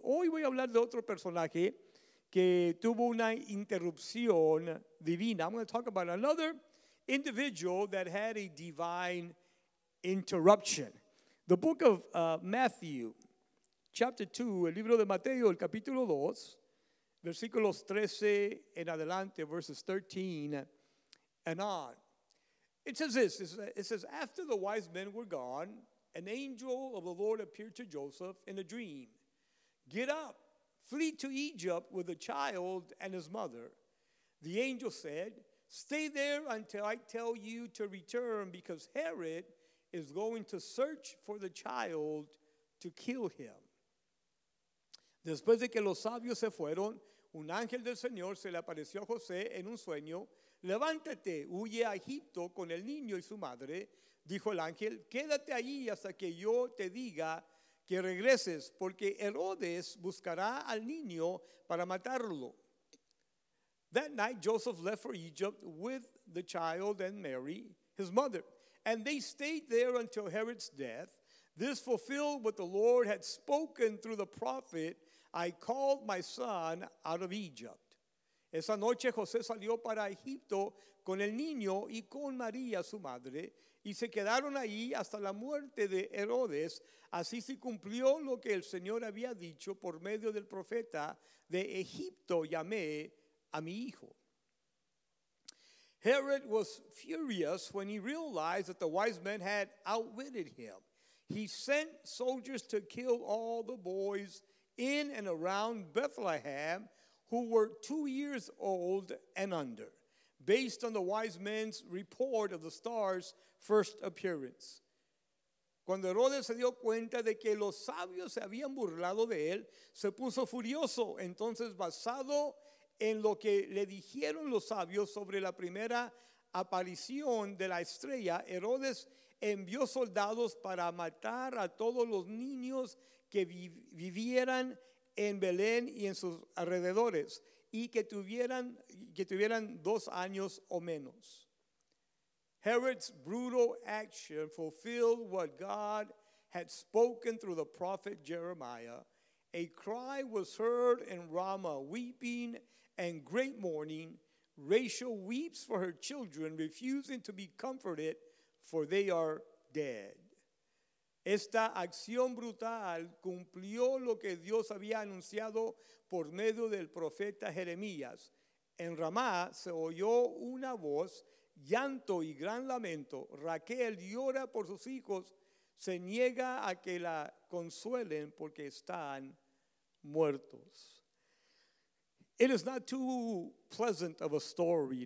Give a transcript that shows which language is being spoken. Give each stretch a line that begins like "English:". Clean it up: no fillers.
Spanish: Hoy voy a hablar de otro personaje que tuvo una interrupción divina.
English: I'm going to talk about another individual that had a divine interruption. The book of Matthew, chapter 2,
Spanish: el libro de Mateo, el capítulo 2, versículos 13 en adelante,
English: verses 13 and on. It says this, it says, after the wise men were gone, an angel of the Lord appeared to Joseph in a dream. Get up, flee to Egypt with the child and his mother. The angel said, stay there until I tell you to return, because Herod is going to search for the child to kill him.
Spanish: Después de que los sabios se fueron, un ángel del Señor se le apareció a José en un sueño levántate, huye a Egipto con el niño y su madre. Dijo el ángel, quédate ahí hasta que yo te diga que regreses, porque Herodes buscará al niño para matarlo.
English: That night Joseph left for Egypt with the child and Mary, his mother, and they stayed there until Herod's death. This fulfilled what the Lord had spoken through the prophet, I called my son out of Egypt.
Spanish: Esa noche José salió para Egipto con el niño y con María, su madre, y se quedaron ahí hasta la muerte de Herodes. Así se cumplió lo que el Señor había dicho por medio del profeta, de Egipto llamé a mi hijo.
English: Herod was furious when he realized that the wise men had outwitted him. He sent soldiers to kill all the boys in and around Bethlehem who were 2 years old and under, based on the wise men's report of the star's first appearance.
Spanish: Cuando Herodes se dio cuenta de que los sabios se habían burlado de él, se puso furioso. Entonces, basado en lo que le dijeron los sabios sobre la primera aparición de la estrella, Herodes envió soldados para matar a todos los niños que vivieran en Belén y en sus alrededores y que tuvieran 2 años o menos.
English: Herod's brutal action fulfilled what God had spoken through the prophet Jeremiah. A cry was heard in Ramah, weeping and great mourning. Rachel weeps for her children, refusing to be comforted, for they are dead.
Spanish: Esta acción brutal cumplió lo que Dios había anunciado por medio del profeta Jeremías. En Ramá se oyó una voz, llanto y gran lamento. Raquel llora por sus hijos, se niega a que la consuelen porque están muertos.
English: It is not too pleasant of a story.